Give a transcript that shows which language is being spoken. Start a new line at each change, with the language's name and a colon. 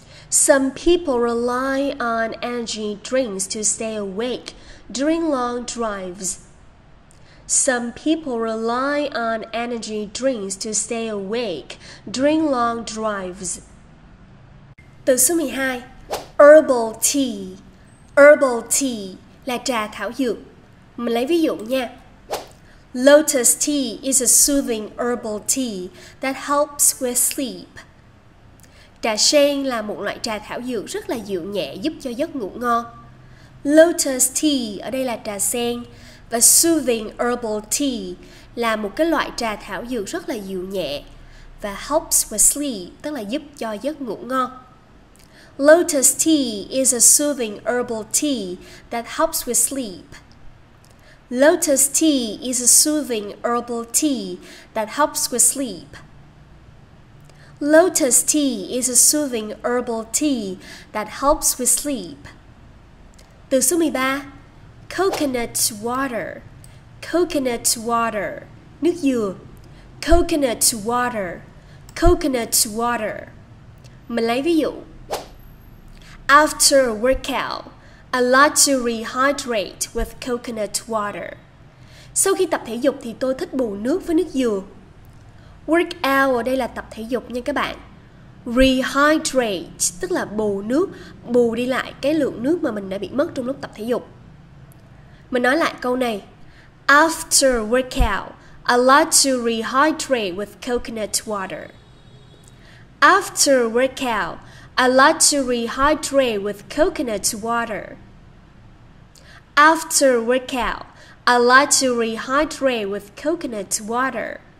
English: Some people rely on energy drinks to stay awake during long drives. Some people rely on energy drinks to stay awake during long drives.
Vietnamese: Từ số 12, herbal tea. Herbal tea là trà thảo dược. Mình lấy ví dụ nha.
English: Lotus tea is a soothing herbal tea that helps with sleep.
Vietnamese: Trà sen là một loại trà thảo dược rất là dịu nhẹ giúp cho giấc ngủ ngon. Lotus tea ở đây là trà sen. Và
English: soothing herbal tea
Vietnamese: là một cái loại trà thảo dược rất là dịu nhẹ và
English: helps with sleep
Vietnamese: tức là giúp cho giấc ngủ ngon.
English: Lotus tea is a soothing herbal tea that helps with sleep. Lotus tea is a soothing herbal tea that helps with sleep. Lotus tea is a soothing herbal tea that helps with sleep.
Vietnamese: Từ số 13, coconut water.
English: Coconut water,
Vietnamese: nước dừa.
English: Coconut water, coconut water.
Vietnamese: Mình lấy ví dụ,
English: after a workout I like to rehydrate with coconut water.
Vietnamese: Sau khi tập thể dục thì tôi thích bù nước với nước dừa. Workout ở đây là tập thể dục nha các bạn. Rehydrate tức là bù nước, bù đi lại cái lượng nước mà mình đã bị mất trong lúc tập thể dục. Mình nói lại câu này.
English: After workout, I like to rehydrate with coconut water. After workout, I like to rehydrate with coconut water. After workout, I like to rehydrate with coconut water.